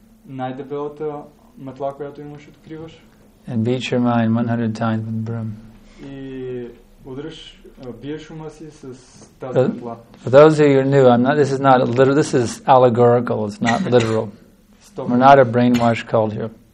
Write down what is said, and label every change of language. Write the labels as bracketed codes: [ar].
[bg] Най-дебелата метла, която имаш, откриваш. [en] And beat your mind 100 times with broom. [bg] И удреш, биеш ума си с тази метла. [en] For those of you who are new, this is not a literal, this is allegorical, it's not literal. Stop. We're not a brainwashed cult here.